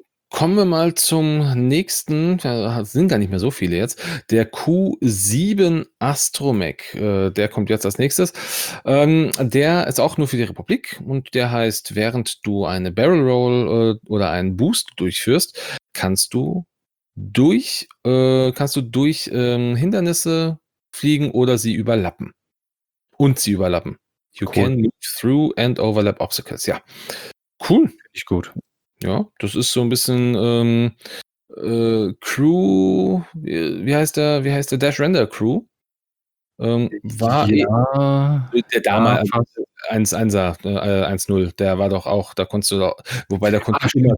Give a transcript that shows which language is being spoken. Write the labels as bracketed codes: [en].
[de] kommen wir mal zum nächsten, da sind gar nicht mehr so viele jetzt, der Q7 Astromech, der kommt jetzt als nächstes. Der ist auch nur für die Republik und der heißt, während du eine Barrel Roll oder einen Boost durchführst, kannst du durch Hindernisse fliegen oder sie überlappen. Und sie überlappen. [en] You can move through and overlap obstacles. [de] Ja, cool. Nicht gut. Ja, das ist so ein bisschen Crew, wie heißt der Dash Render Crew? War ja. Der damals 1-0, der war doch auch, da konntest du doch, wobei da konntest du immer